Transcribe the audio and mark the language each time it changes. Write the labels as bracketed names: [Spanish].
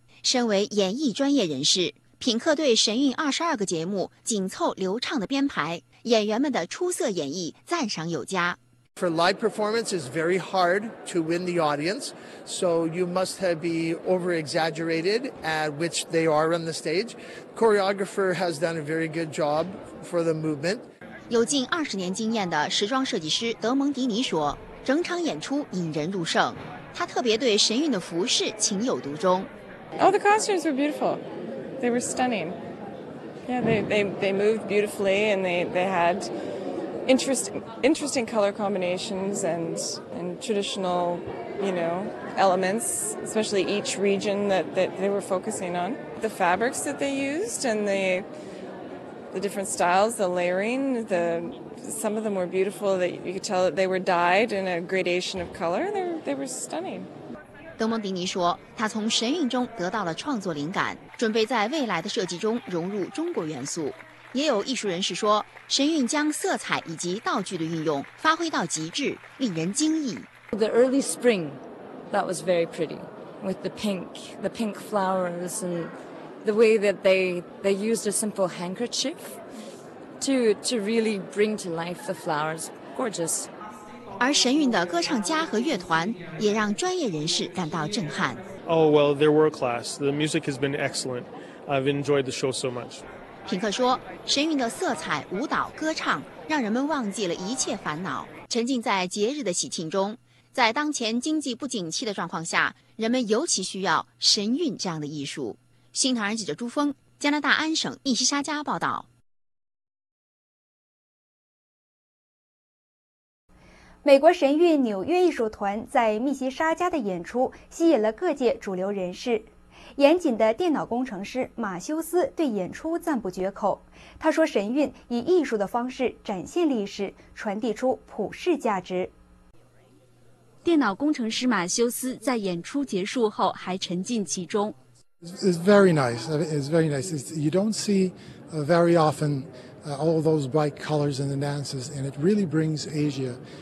[Chinese] 身为演艺专业人士，品客对神韵22个节目紧凑流畅的编排，演员们的出色演绎赞赏有加。 [English] For live performance is very hard to win the audience, so you must have be over exaggerated at which they are on the stage. Choreographer has done a very good job for the movement. [Chinese] 有近20年经验的时装设计师德蒙迪尼说，整场演出引人入胜，他特别对神韵的服饰情有独钟。 [English] Oh, the costumes were beautiful. They were stunning. Yeah, they moved beautifully, and they had interesting color combinations and traditional, you know, elements, especially each region that they were focusing on. The fabrics that they used and the different styles, the layering, some of them were beautiful, that you could tell that they were dyed in a gradation of color. They were stunning. [Chinese] 德蒙迪尼说，他从神韵中得到了创作灵感，准备在未来的设计中融入中国元素。也有艺术人士说，神韵将色彩以及道具的运用发挥到极致，令人惊异。 [English] The early spring, that was very pretty, with the pink flowers and the way that they used a simple handkerchief to really bring to life the flowers. Gorgeous. [Chinese] 而神韵的歌唱家和乐团也让专业人士感到震撼。 [English] Oh, well, they're world class. The music has been excellent. I've enjoyed the show so much. [Chinese] 品客说，神韵的色彩、舞蹈、歌唱让人们忘记了一切烦恼，沉浸在节日的喜庆中。在当前经济不景气的状况下，人们尤其需要神韵这样的艺术。新唐人记者朱峰，加拿大安省密西沙加报道。美国神韵纽约艺术团在密西沙加的演出吸引了各界主流人士。严谨的电脑工程师马修斯对演出赞不绝口，他说神韵以艺术的方式展现历史，传递出普世价值。电脑工程师马修斯在演出结束后还沉浸其中。 [English] It's very nice. It's very nice. You don't see very often all those bright colors in the dances, and it really brings Asia.